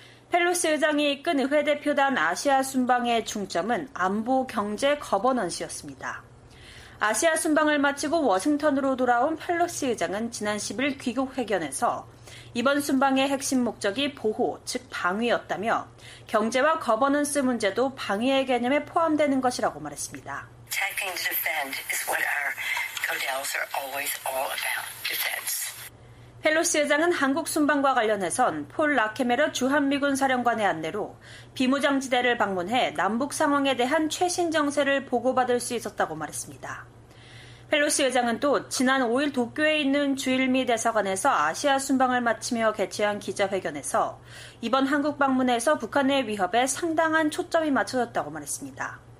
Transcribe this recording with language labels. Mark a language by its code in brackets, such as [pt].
[ko] 펠로시 의장이 이끈 의회 대표단 아시아 순방의 중점은 안보, 경제, 거버넌스였습니다. 아시아 순방을 마치고 워싱턴으로 돌아온 펠로시 의장은 지난 10일 귀국 회견에서 이번 순방의 핵심 목적이 보호, 즉 방위였다며 경제와 거버넌스 문제도 방위의 개념에 포함되는 것이라고 말했습니다. [en] Attacking to defend is what our codels are always all about, defense. [ko] 펠로시 의장은 한국 순방과 관련해선 폴 라케메르 주한미군 사령관의 안내로 비무장지대를 방문해 남북 상황에 대한 최신 정세를 보고받을 수 있었다고 말했습니다. 펠로시 의장은 또 지난 5일 도쿄에 있는 주일미 대사관에서 아시아 순방을 마치며 개최한 기자회견에서 이번 한국 방문에서 북한의 위협에 상당한 초점이 맞춰졌다고 말했습니다.